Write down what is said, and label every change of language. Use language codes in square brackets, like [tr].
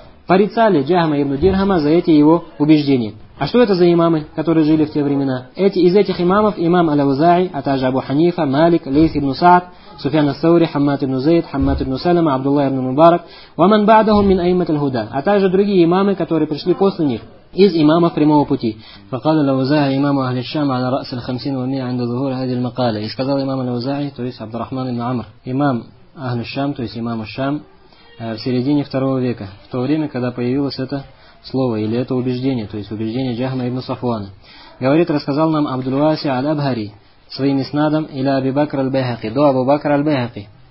[ru] порицали Джахма ибн Дирхама за эти его убеждения. А что это за имамы, которые жили в те времена? Из этих имамов имам Аль-Аузаи, а также Абу Ханифа, Малик, Лейс ибн Саад, Суфьян ас-Саури, Хаммад ибн Зейд, Хаммад ибн Салама, Абдуллах ибн Мубарак, [ar] ومن بعدهم من أئمة الهدى, [ru] а также другие имамы, которые пришли после них из имамов прямого пути. [ar] فقال الأوزاعي إمام أهل الشام على رأس الخمسين والمئة عند ظهور هذه المقالة. [ru] И сказал имам Аль-Аузаи, то есть Абд ар-Рахман ибн Амр, имам Ахль аш-Шам, то есть имам аш-Шам, в середине второго века, в то время, когда появилось это слово или это убеждение, то есть убеждение Джахма ибн Сафуана. Говорит, рассказал нам Абдул-Васи аль-Абхари своим иснадом иля Абу Бакра аль-Байхаки, до Абу Бакра аль-Байхаки.